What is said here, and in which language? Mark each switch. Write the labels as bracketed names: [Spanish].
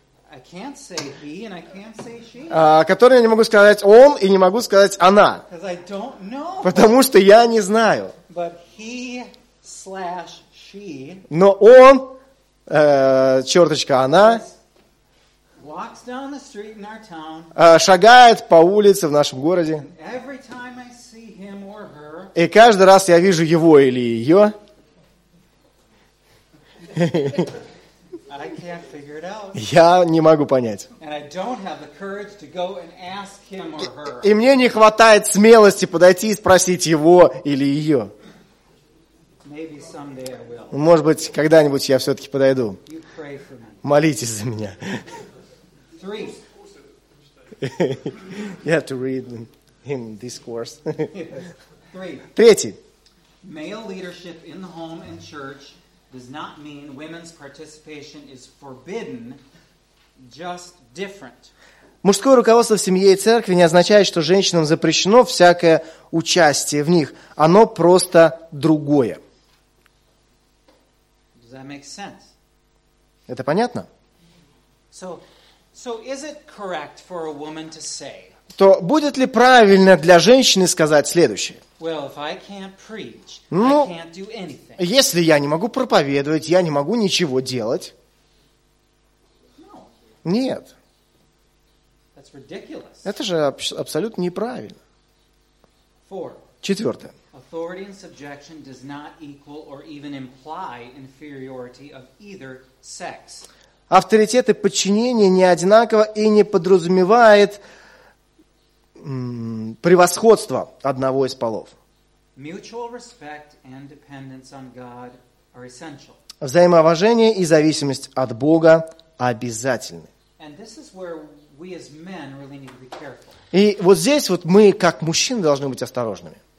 [English] I can't say he and I can't say she. [Russian] Который я не могу сказать он и не могу сказать она. [English] Because I don't know. [Russian] Потому что я не знаю. [English] But he slash she. [Russian] Но он, черточка она, [English] walks down the street in our town, [Russian] шагает по улице в нашем городе. [English] And every time I see him or her, [Russian] и каждый раз я вижу его или ее. [English] I can't figure it out. [Russian] Я не могу понять. [English] And I don't have the courage to go and ask him or her. [Russian] И мне не хватает смелости подойти и спросить его или ее. [English] Maybe someday I will. [Russian] Может быть, когда-нибудь я все-таки подойду. [English] You pray for me. [Russian] Молитесь за меня. [English] Three. You have to read him this course. Three. [Russian] Третий. [English] Male leadership in the home and church does not mean women's participation is forbidden, just different. [Russian] Мужское руководство в семье и церкви не означает, что женщинам запрещено всякое участие в них. Оно просто другое. [English] Does that make sense? [Russian] Это понятно? [English] So is it correct for a woman to say? [Russian] То будет ли правильно для женщины сказать следующее? [English] Well, if I can't preach, [Russian] ну, [English] I can't do anything. [Russian] Если я не могу проповедовать, я не могу ничего делать. [English] No. [Russian] Нет. [English] That's ridiculous. [Russian] Это же абсолютно неправильно. [English] Four. [Russian] Четвертое. [English] Authority and subjection does not equal or even imply inferiority of either sex. [Russian] Авторитет и подчинение не одинаково и не подразумевает превосходство одного из полов. [English] Mutual respect and dependence on God are essential. [Russian] Взаимоуважение и зависимость от Бога обязательны. [English] And this is where we as men really need to be careful. [Russian] И вот здесь вот мы, как мужчины, должны быть осторожными.